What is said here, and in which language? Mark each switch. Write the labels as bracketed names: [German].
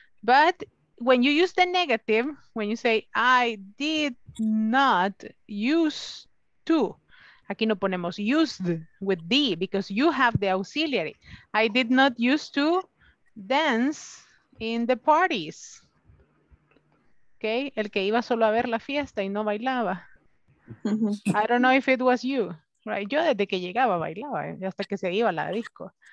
[English] But when you use the negative, when you say, I did not use to, [Spanish] aquí no ponemos [English] used with D because you have the auxiliary. I did not use to dance in the parties. [Spanish] Okay, el que iba solo a ver la fiesta y no bailaba. [English] I don't know if it was you, right? [Spanish] Yo desde que llegaba bailaba, hasta que se iba a la disco.